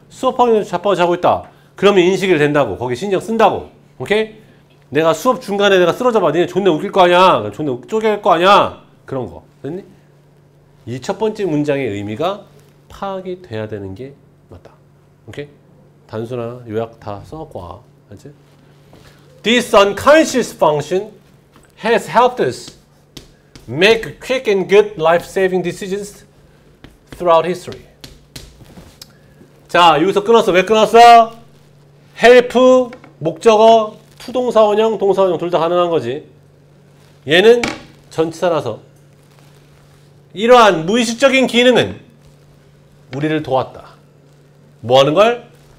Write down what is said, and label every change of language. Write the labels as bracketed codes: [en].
[ko] 수업하고 있는 자빠고 자고 있다. 그러면 인식이 된다고. 거기 신경 쓴다고. 오케이? 내가 수업 중간에 내가 쓰러져 봐. 니네 존나 웃길 거 아니야. 존나 쪼개할 거 아니야. 그런 거. 됐니? 이 첫 번째 문장의 의미가 파악이 돼야 되는 게 맞다. 오케이? 단순화 요약 다 써놓고 와. 알지? [en] This unconscious function has helped us make quick and good life-saving decisions throughout history. [ko] 자, 여기서 끊었어. 왜 끊었어? Help, 목적어, 투동사원형, 동사원형 둘 다 가능한 거지. 얘는 전치사라서 이러한 무의식적인 기능은 우리를 도왔다. 뭐하는 걸?